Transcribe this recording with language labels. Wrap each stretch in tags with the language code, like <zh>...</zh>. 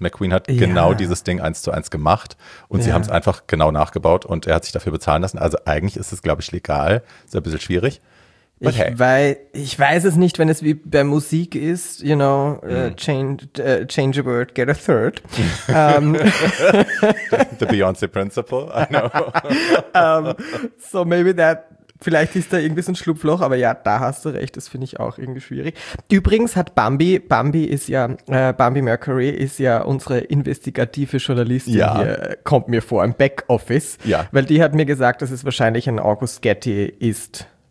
<de>McQueen hat genau dieses Ding 1:1 gemacht und sie haben es einfach genau nachgebaut und er hat sich dafür bezahlen lassen. Also eigentlich ist es, glaube ich, legal. Ist ein bisschen schwierig. Okay. Ich weiß es nicht, wenn es wie bei Musik ist,</de> <en>you know, change a word, get a third. the Beyoncé Principle, I know. so maybe that.</en> <de>Vielleicht ist da irgendwie so ein Schlupfloch, aber ja, da hast du recht, das finde ich auch irgendwie schwierig. Übrigens hat Bambi Mercury ist ja unsere investigative Journalistin hier, kommt mir vor, im Backoffice. Ja. Weil die hat mir gesagt, dass es wahrscheinlich ein August Getty ist.</de>